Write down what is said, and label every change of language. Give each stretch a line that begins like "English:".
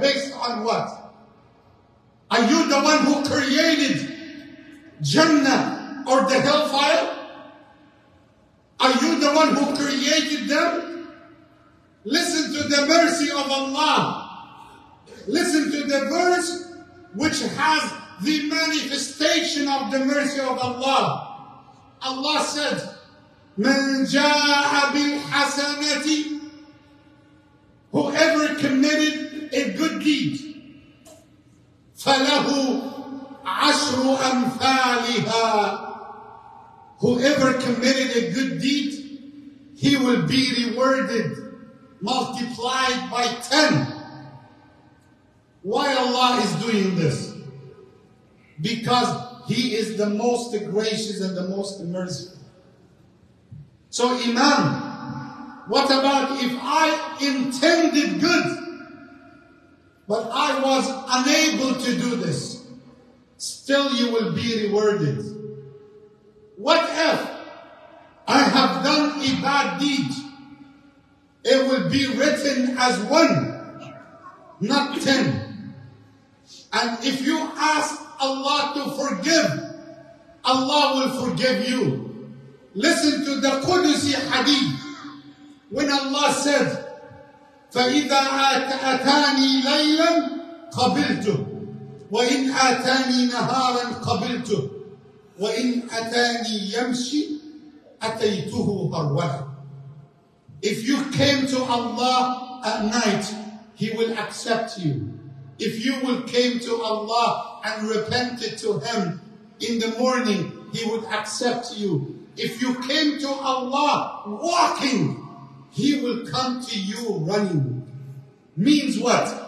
English: Based on what? Are you the one who created Jannah or the hellfire? Are you the one who created them? Listen to the mercy of Allah. Listen to the verse which has the manifestation of the mercy of Allah. Allah said,
Arabic: مَنْ جَاءَ بِالْحَسَنَةِ.
English: Whoever committed a good deed,
Arabic: فَلَهُ عَشْرُ أَمْثَالِهَا.
English: Whoever committed a good deed, he will be rewarded, multiplied by 10. Why Allah is doing this? Because he is the most gracious and the most merciful. So Imam, what about if I intended good, but I was unable to do this? Still you will be rewarded. What if I have done a bad deed? It will be written as 1, not 10. And if you ask Allah to forgive, Allah will forgive you. Listen to the Qudusi hadith. When Allah said,
Arabic: فَإِذَا أَتَانِي لَيْلًا قَبِلْتُ وَإِنْ أَتَانِي نَهَارًا قَبِلْتُ وَإِنْ أَتَانِي يَمْشِي أَتَيْتُهُ هَرْوَلًا.
English: If you came to Allah at night, He will accept you. If you will came to Allah and repented to Him in the morning, He would accept you. If you came to Allah walking, He will come to you running. Means what?